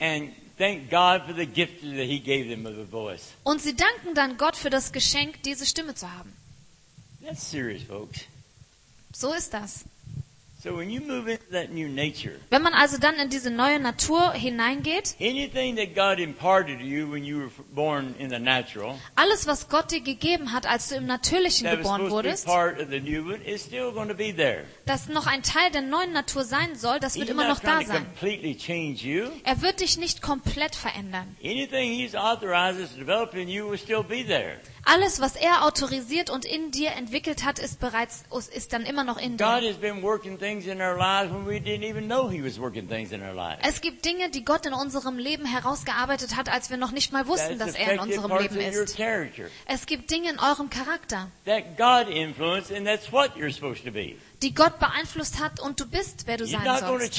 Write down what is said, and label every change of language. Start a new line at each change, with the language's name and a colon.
English: And thank God for the gift that he gave them of the voice.
German: Und sie danken dann Gott für das Geschenk, diese Stimme zu haben.
English: That's serious, folks.
German: So ist das.
English: So when you move into that new nature.
German: Wenn man also dann in diese neue Natur hineingeht.
English: Anything that God imparted to you when you were born in the natural.
German: Alles was Gott dir gegeben hat, als du im Natürlichen geboren wurdest.
English: Part of the new one is still going to be there.
German: Das noch ein Teil der neuen Natur sein soll, das wird immer noch da sein.
English: Completely change you.
German: Er wird dich nicht komplett verändern.
English: Anything he's authorized to develop in you will still be there.
German: Alles, was er autorisiert und in dir entwickelt hat, ist bereits, ist dann immer noch in dir. Es gibt Dinge, die Gott in unserem Leben herausgearbeitet hat, als wir noch nicht mal wussten, dass er in unserem Leben ist. Es gibt Dinge in eurem Charakter, die Gott beeinflusst hat und du bist, wer du sein sollst.